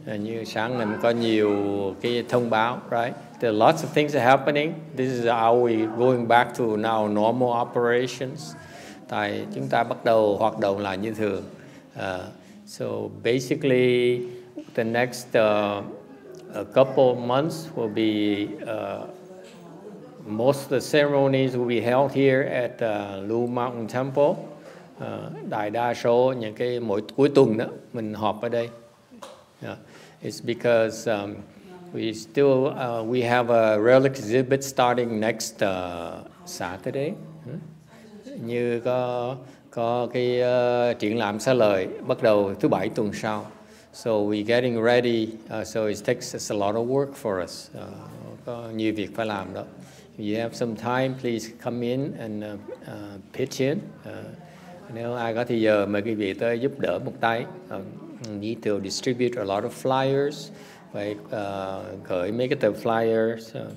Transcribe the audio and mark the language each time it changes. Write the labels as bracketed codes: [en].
[vi] Như sáng nay có nhiều cái thông báo, right? [en] There are lots of things are happening. This is how we going back to now normal operations. [vi] Tại chúng ta bắt đầu hoạt động lại như thường. [en] So basically, the next a couple of months will be most of the ceremonies will be held here at Lu Mountain Temple. [vi] Đại đa số những cái mỗi cuối tuần đó mình họp ở đây. Yeah. [en] It's because we have a relic exhibit starting next Saturday. [vi] Như có cái triển lãm xá lợi bắt đầu thứ bảy tuần sau. [en] So we're getting ready. So it takes a lot of work for us. [vi] Có nhiều việc phải làm đó. [en] If you have some time, please come in and pitch in. [vi] Nếu ai có thì giờ mời quý vị tới giúp đỡ một tay. [en] Need to distribute a lot of flyers. [vi] Phải gửi mấy cái tờ flyers.